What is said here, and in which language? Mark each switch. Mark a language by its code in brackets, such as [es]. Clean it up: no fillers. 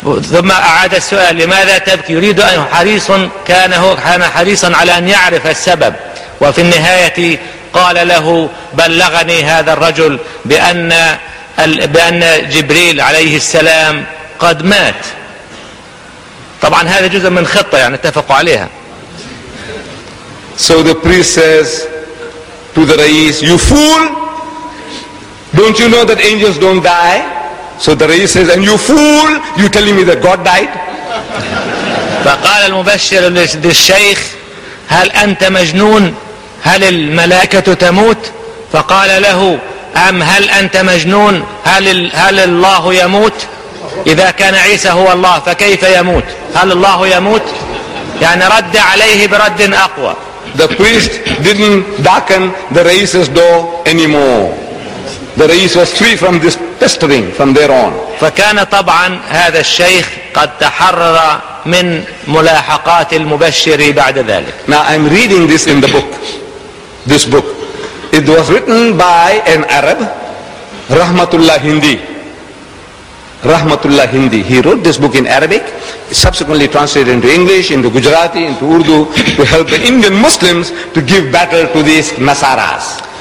[ar] ثم أعاد السؤال لماذا تبكي، يريد أنه حريص كان حريصا على أن يعرف السبب. وفي النهاية قال له بلغني هذا الرجل بأن جبريل عليه السلام قد مات. طبعا هذا جزء من خطة يعني اتفقوا عليها. [en] So the priest says to the Rais, you fool, don't you know that angels don't die? So the Rais says, and you fool, you telling me that God died? [ar] فقال المبشر للشيخ هل أنت مجنون؟ هل الملائكة تموت؟ فقال له أم هل أنت مجنون؟ هل الله يموت؟ إذا كان عيسى هو الله فكيف يموت؟ هل الله يموت؟ يعني رد عليه برد أقوى. [en] The priest didn't darken the Rais's door anymore. The Rais was free from this pestering from there on. [ar] فكان طبعا هذا الشيخ قد تحرر من ملاحقات المبشر بعد ذلك. [en] Now I'm reading this in the book. This book. It was written by an Arab, Rahmatullah Hindi. Rahmatullah Hindi. He wrote this book in Arabic, subsequently translated into English, into Gujarati, into Urdu, to help the Indian Muslims to give battle to these Nasaras.